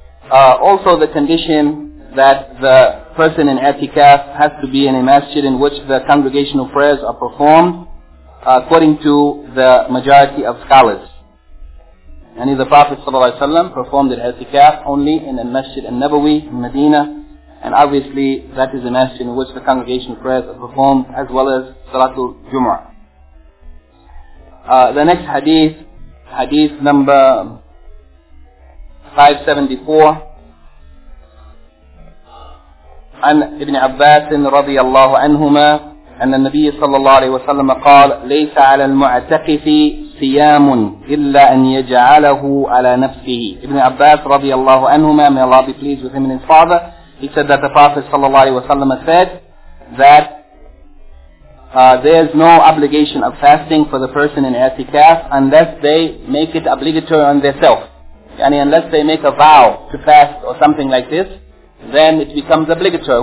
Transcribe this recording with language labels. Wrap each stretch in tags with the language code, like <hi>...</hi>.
<en>Also the condition that the person in i'tikaf has to be in a masjid in which the congregational prayers are performed, according to the majority of scholars. And the Prophet ﷺ performed an i'tikaf only in a masjid al-Nabawi in Medina, and obviously that is a masjid in which the congregation prayers are performed, as well as Salatul Jumu'ah. The next hadith number 574,</en> <ar>عن ابن عباس رضي الله عنهما أن النبي صلى الله عليه وسلم قال ليس على المعتكف صيام إلا أن يجعله على نفسه. ابن عباس رضي الله عنهما,</ar> <en>may Allah be pleased with him and his father, he said that the Prophet ﷺ said that there is no obligation of fasting for the person in i'tikaf unless they make it obligatory on themselves. Yani unless they make a vow to fast or something like this, then it becomes obligatory.</en>